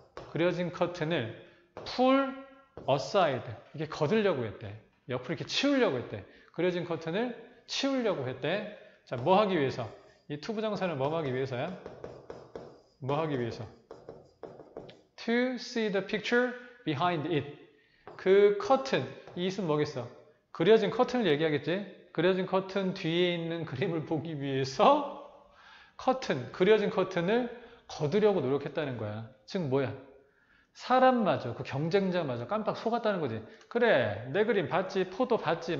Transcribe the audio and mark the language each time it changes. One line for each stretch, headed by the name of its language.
Korean: 그려진 커튼을
English: pull aside.
Korean: 이게 거들려고 했대. 옆으로 이렇게 치우려고 했대. 그려진 커튼을 치우려고 했대. 자, 뭐 하기 위해서? 이 to 부정사는 뭐 하기 위해서야? 뭐 하기 위해서?
English: To see the picture behind it.
Korean: 그 커튼, 이것은 뭐겠어? 그려진 커튼을 얘기하겠지? 그려진 커튼 뒤에 있는 그림을 보기 위해서 그려진 커튼을 거두려고 노력했다는 거야. 즉 뭐야? 사람마저, 그 경쟁자마저 깜빡 속았다는 거지. 그래, 내 그림 봤지? 포도 봤지?